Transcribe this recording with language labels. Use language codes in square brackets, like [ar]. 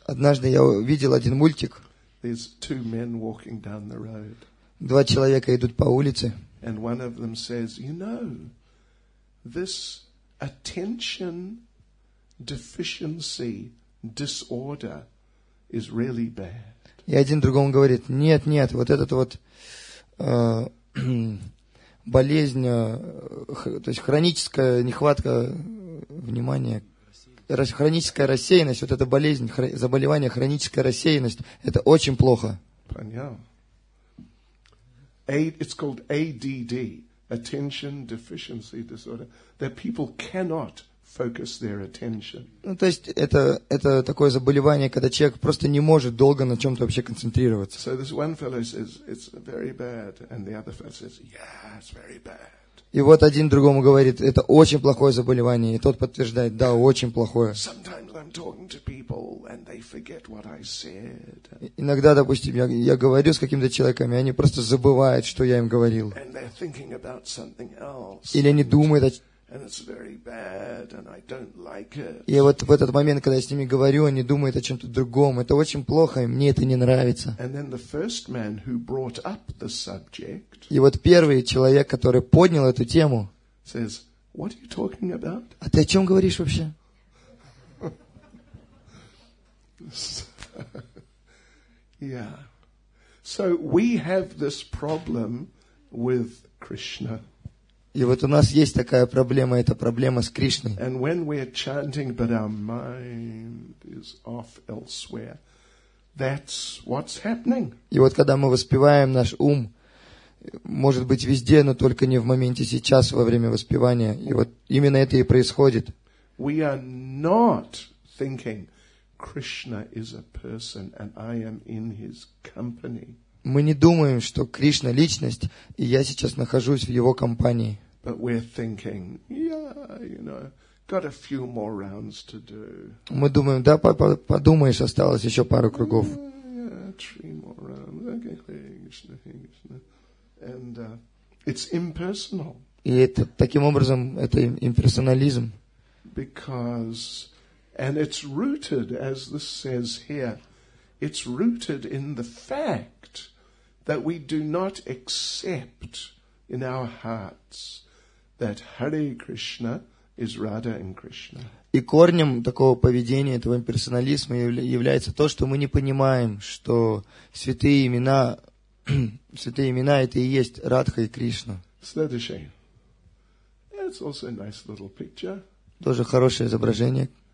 [ru] Однажды я увидел один мультик. [en] There's two men walking down the road. [ru] Два человека идут по улице. [en] And one of them says, you know, this attention deficiency disorder is really bad. [ru] И один другому говорит, нет, вот этот вот болезнь, то есть хроническая нехватка внимания, хроническая рассеянность, вот эта болезнь, заболевание, хроническая рассеянность, это очень плохо. Понял. [en] It's called ADD, Attention Deficiency Disorder, that people cannot focus their attention. [ru] Ну, то есть это такое заболевание, когда человек просто не может долго на чем-то вообще концентрироваться. [en] So this one fellow says it's very bad, and the other fellow says, yeah, it's very bad. [ru] И вот один другому говорит, это очень плохое заболевание, и тот подтверждает, да, очень плохое. [en] Sometimes I'm talking to people and they forget what I said. [ru] Иногда, допустим, я говорю с каким-то человеком, и они просто забывают, что я им говорил. [en] And they're thinking about something else. [ru] Или они думают о. [en] And it's very bad, and I don't like it. [ru] И вот в этот момент, когда я с ними говорю, они думают о чем-то другом. Это очень плохо, и мне это не нравится. [en] And then the first man who brought up the subject. [ru] И вот первый человек, который поднял эту тему, [en] says, "What are you talking about?" [ru] А ты о чем говоришь вообще? [en] Yeah. So we have this problem with Krishna. [ru] И вот у нас есть такая проблема, это проблема с Кришной. И вот когда мы воспеваем, наш ум может быть везде, но только не в моменте сейчас, во время воспевания. И вот именно это и происходит. [en] We are not thinking Krishna is a person and I am in his company. [ru] Мы не думаем, что Кришна — личность, и я сейчас нахожусь в его компании. [en] But we're thinking, yeah, you know, got a few more rounds to do. [ru] Мы думаем, да, подумаешь, осталось еще пару кругов. [en] Yeah, three more rounds. Okay, Krishna, Krishna. And it's impersonal. [ru] И это таким образом это имперсонализм. [en] Because, and it's rooted, as this says here, it's rooted in the fact that we do not accept in our hearts that Hare Krishna is Radha and Krishna. [ru] И корнем такого поведения, этого имперсонализма является то, что мы не понимаем, что святые имена это и есть Радха и Кришна. Следующий. [en] It's also a nice little picture. [ru] Тоже хорошее изображение.